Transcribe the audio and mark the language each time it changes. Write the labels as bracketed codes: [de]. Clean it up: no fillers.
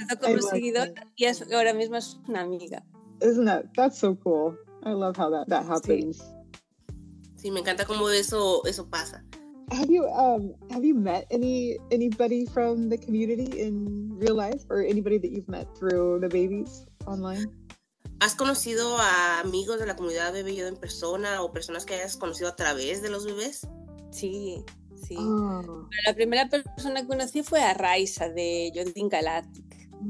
[es] Como seguidora y ahora mismo es una amiga. [en] Isn't that's so cool. I love how that happens. [es] Sí. Sí, me encanta cómo eso pasa. [en] Have you met anybody from the community in real life or anybody that you've met through the babies online? [es] ¿Has conocido a amigos de la comunidad de bebé en persona o personas que hayas conocido a través de los bebés? Sí, sí. Oh. La primera persona que conocí fue a Raisa de Jordan Galactic.